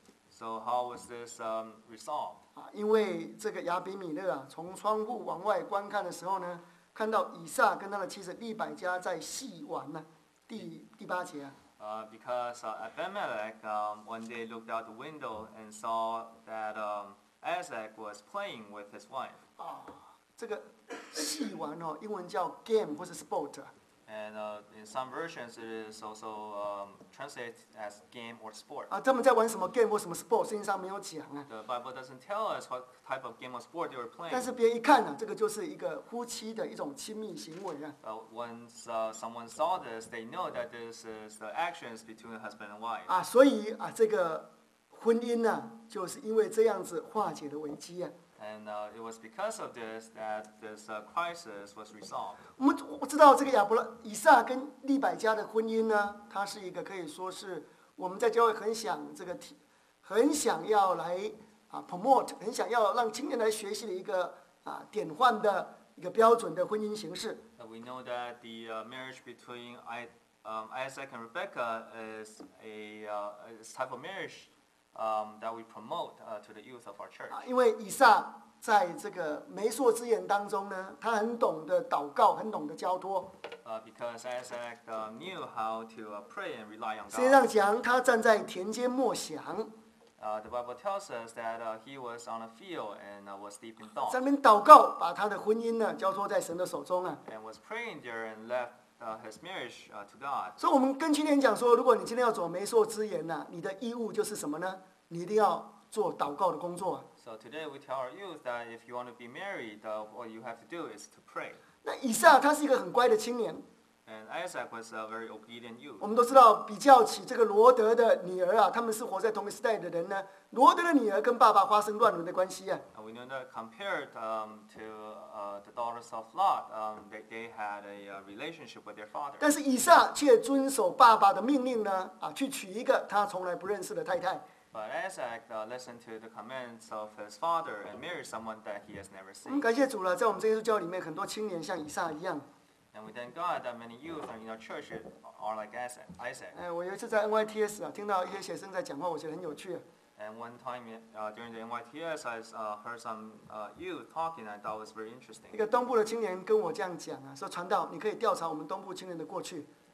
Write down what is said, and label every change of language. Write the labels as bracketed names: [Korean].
[English] So how was this resolved? [Chinese] 因为这个亚比米勒啊，从窗户往外观看的时候呢，看到以撒跟他的妻子利百加在戏玩呢、啊。第八节啊。 [English] Because Abimelech one day looked out the window and saw that Isaac was playing with his wife. [Chinese] 这个戏玩哦，英文叫 game 或者 sport。 [English] And in some versions, it is also translated as game or sport. [Chinese] 他们在玩什么 game 或什么 sport？圣经上没有讲啊。 [English] The Bible doesn't tell us what type of game or sport they were playing. [Chinese] 但是别人一看呢、啊，这个就是一个夫妻的一种亲密行为啊。 [English] Once someone saw this, they know that this is the actions between a husband and wife. [Chinese] 所以啊，这个婚姻呢、啊，就是因为这样子化解的危机啊。 [English] And it was because of this that this crisis was resolved. [Chinese] 我知道这个亚伯拉、以撒跟利百加的婚姻呢，它是一个可以说是我们在教会很想这个很想要来promote， 很想要让青年来学习的一个典范的一个标准的婚姻形式。 [English] We know that the marriage between Isaac and Rebecca is a type of marriage. That we promote to the youth of our church. [Chinese] 因为以撒在这个媒妁之言当中呢，他很懂得祷告，很懂得交托。 [English] Because Isaac knew how to pray and rely on God. [Chinese] 圣经上讲他站在田间默想。 [English] The Bible tells us that he was on a field and was deep in thought. [Chinese] 在那边祷告，把他的婚姻呢交托在神的手中啊。 [English] And was praying there and left. His marriage to God. [Chinese] 所以我们跟青年讲说，如果你今天要走媒妁之言呢、啊，你的义务就是什么呢？你一定要做祷告的工作。 [English] So today we tell our youth that if you want to be married, what you have to do is to pray. [Chinese] 那以撒他是一个很乖的青年。 [English] And Isaac was a very obedient youth. [Chinese] 我们都知道，比较起这个罗德的女儿啊，他们是活在同一时代的人呢。罗德的女儿跟爸爸发生乱伦的关系啊。 [English] We know that compared to the daughters of Lot, they had a relationship with their father. [Chinese] 但是以撒却遵守爸爸的命令呢，去娶一个他从来不认识的太太。 [English] But Isaac listened to the commands of his father and married someone that he has never seen. [Chinese] 感谢主了，在我们这耶稣教里面，很多青年像以撒一样。 [English] And we thank God that many youth in our church are like Isaac. [Chinese] 我有一次在 NYTS 啊，听到一些学生在讲话，我觉得很有趣。 [English] And one time during the NYTS, I heard some youth talking, and I thought it was very interesting. [Chinese] 一个东部的青年跟我这样讲啊，说传道，你可以调查我们东部青年的过去。